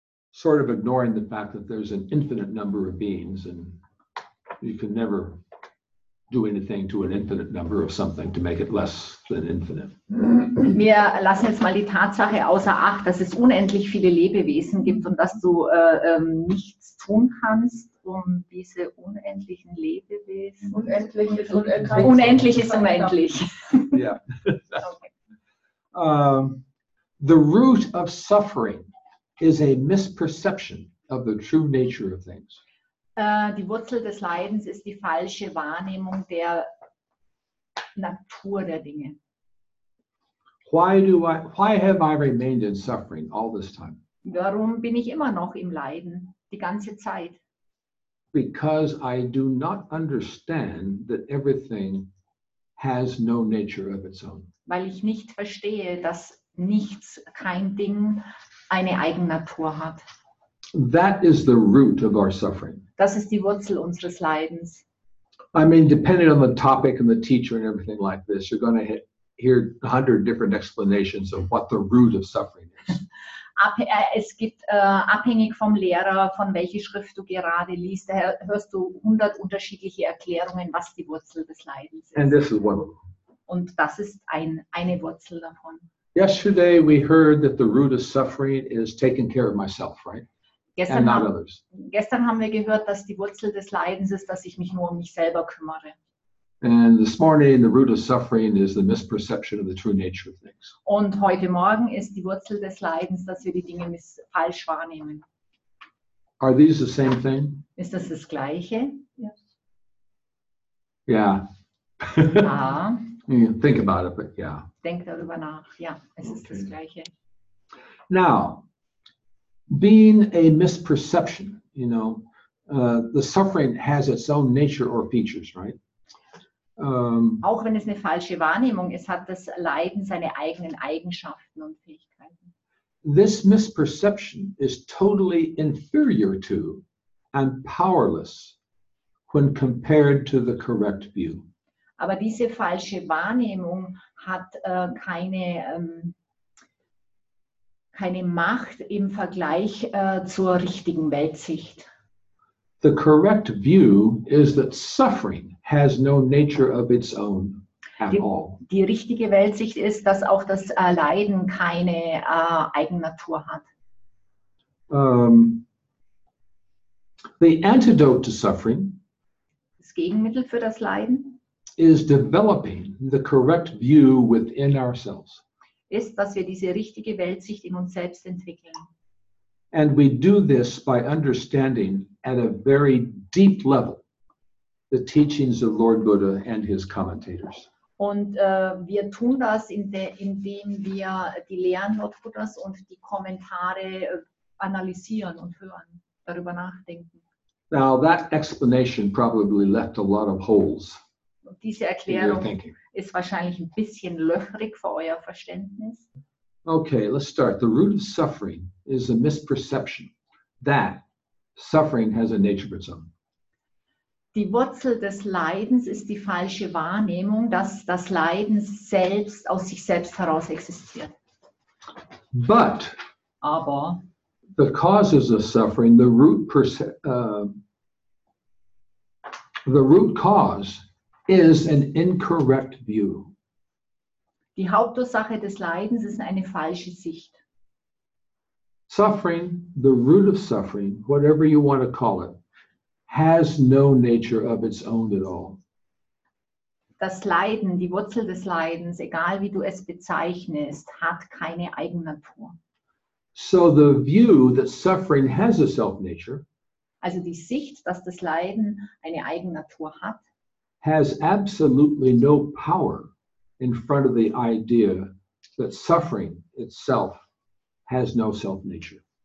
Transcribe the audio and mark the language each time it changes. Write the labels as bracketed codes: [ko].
[en] Sort of ignoring the fact that there's an infinite number of beings and you can never do anything to an infinite number of something to make it less than infinite. [de] Wir lassen jetzt mal die Tatsache außer Acht, dass es unendlich viele Lebewesen gibt und dass du nichts tun kannst, um diese unendlichen Lebewesen. Unendlich ist unendlich. Ja. [en] The root of suffering is a misperception of the true nature of things. [de] Die Wurzel des Leidens ist die falsche Wahrnehmung der Natur der Dinge. [en] Why have I remained in suffering all this time? [de] Warum bin ich immer noch im Leiden die ganze Zeit? [en] Because I do not understand that everything has no nature of its own. [de] Weil ich nicht verstehe, dass nichts, kein Ding eine Eigennatur hat. [en] That is the root of our suffering. [de] Das ist die Wurzel unseres Leidens. [en] I mean, depending on the topic and the teacher and everything like this, you're going to hear 100 different explanations of what the root of suffering is. [de] Es gibt abhängig vom Lehrer, von welcher Schrift du gerade liest, daher hörst du 100 unterschiedliche Erklärungen, was die Wurzel des Leidens ist. [en] And this is one of them. [de] Und das ist eine Wurzel davon. [en] Yesterday we heard that the root of suffering is taking care of myself, right? [de] Gestern haben wir gehört, dass die Wurzel des Leidens ist, dass ich mich nur um mich selber kümmere. [en] And this morning the root of suffering is the misperception of the true nature of things. [de] Und heute Morgen ist die Wurzel des Leidens, dass wir die Dinge falsch wahrnehmen. [en] Are these the same thing? [de] Ist das das Gleiche? [en] Yes. Yeah. [de] Ja. [en] Think about it, but yeah. [de] Denk darüber nach. Ja, es ist das Gleiche. [en] Now, being a misperception, you know, the suffering has its own nature or features, right? [de] Auch wenn es eine falsche Wahrnehmung ist, hat das Leiden seine eigenen Eigenschaften und Fähigkeiten. [en] This misperception is totally inferior to and powerless when compared to the correct view. [de] Aber diese falsche Wahrnehmung hat keine Macht im Vergleich zur richtigen Weltsicht. [en] The correct view is that suffering has no nature of its own at all. [de] Die richtige Weltsicht ist, dass auch das Leiden keine Eigennatur hat. [en] The antidote to suffering, [de] das Gegenmittel für das Leiden, [en] is developing the correct view within ourselves. [de] Ist, dass wir diese richtige Weltsicht in uns selbst entwickeln. [en] And we do this by understanding at a very deep level the teachings of Lord Buddha and his commentators. [de] Und wir tun das, indem wir die Lehren Lord Buddhas und die Kommentare analysieren und hören, darüber nachdenken. [en] Now that explanation probably left a lot of holes. [de] Diese Erklärung ist wahrscheinlich ein bisschen löchrig für euer Verständnis. [en] Okay, let's start. The root of suffering is a misperception that suffering has a nature of its own. [de] Die Wurzel des Leidens ist die falsche Wahrnehmung, dass das Leiden selbst aus sich selbst heraus existiert. [en] But [de] aber [en] the causes of suffering, the root cause is an incorrect view. [de] Die Hauptursache des Leidens ist eine falsche Sicht. [en] Suffering, the root of suffering, whatever you want to call it, has no nature of its own at all. [de] Das Leiden, die Wurzel des Leidens, egal wie du es bezeichnest, hat keine Eigennatur. [en] So the view that suffering has a self-nature, [de] also die Sicht, dass das Leiden eine Eigennatur hat, [en] has absolutely no power in front of the idea that suffering itself has no self-nature.